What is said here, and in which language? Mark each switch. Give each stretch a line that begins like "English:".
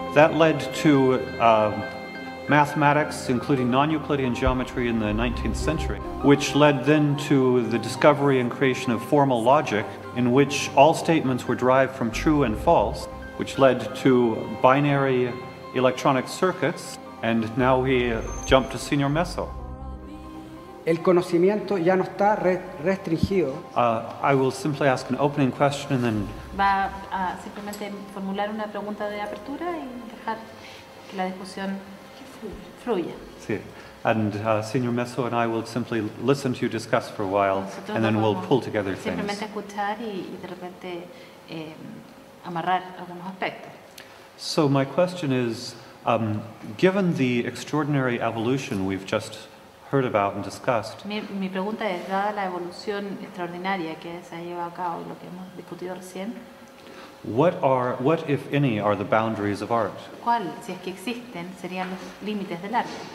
English: That led to mathematics, including non-Euclidean geometry in the 19th century, which led then to the discovery and creation of formal logic, in which all statements were derived from true and false, which led to binary electronic circuits, and now we jump to Señor Meso.
Spanish: El conocimiento ya no está restringido.
English: I will simply ask an opening question and then...
Spanish: Va a simplemente formular una pregunta de apertura y dejar que la discusión fluya. Sí.
English: And Señor Meso and I will simply listen to you discuss for a while.
Spanish: Nosotros
English: and then
Spanish: no
English: we'll pull together
Spanish: simplemente Simplemente escuchar y de repente amarrar algunos aspectos.
English: So my question is, given the extraordinary evolution we've just heard about and discussed.
Spanish: Mi pregunta es, dada la evolución extraordinaria que se ha llevado a cabo y lo que hemos discutido recién.
English: What if any are the boundaries of art?
Spanish: ¿Cuál, si es que existen, serían los límites del arte?